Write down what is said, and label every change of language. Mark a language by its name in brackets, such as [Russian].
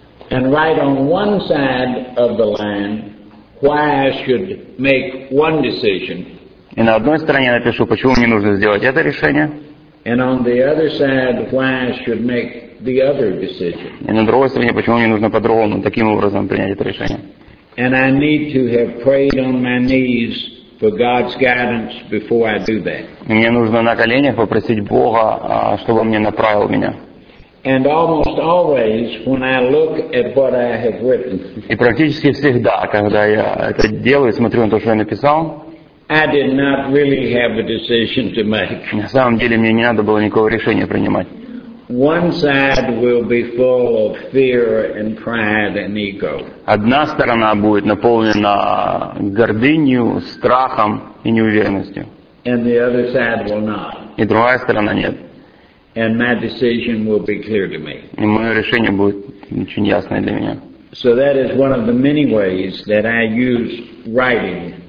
[English] And write on one side of the line why I should make one decision. [Russian] И на одной стороне напишу, почему мне нужно сделать это решение. [English] And on the other side, why I should make the other decision. [Russian] И на другой стороне, почему мне нужно по-другому, таким образом принять это решение. [English] And I need to have prayed on my knees for God's guidance before I do that. [Russian] Мне нужно на коленях попросить Бога, чтобы он мне направил меня. [English] And almost always, when I look at what I have written. [Russian] И практически всегда, когда я это делаю, смотрю на то, что я написал. [English] I did not really have a decision to make. [Russian] На самом деле мне не надо было никакого решения принимать. [English] One side will be full of fear and pride and ego. [Russian] Одна сторона будет наполнена гордынью, страхом и неуверенностью. [English] And the other side will not. [Russian] И другая сторона нет. [English] And my decision will be clear to me. [Russian] И мое решение будет очень ясное для меня. [English] So that is one of the many ways that I use writing.